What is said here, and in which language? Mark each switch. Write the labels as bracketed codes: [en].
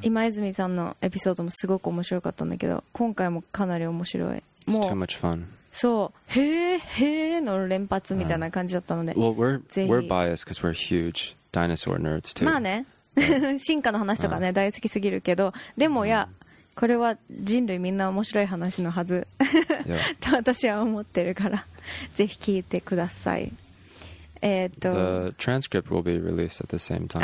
[ja] 今泉さんのエピソードもすごく面白かったんだけど、今回もかなり面白い。も [en] う、too much fun. [ja] そう、へーへーの連発みたいな感じだったので、 [en] Well, we're biased because we're huge dinosaur nerds too. [ja] まあね、進化の話とかね、大好きすぎるけど、でも、うん、いや。これは人類みんな面白い話のはず [en] <Yeah. [ja] S 1> と私は思ってるからぜひ聞いてください。 [en] The transcript will be released at the same time.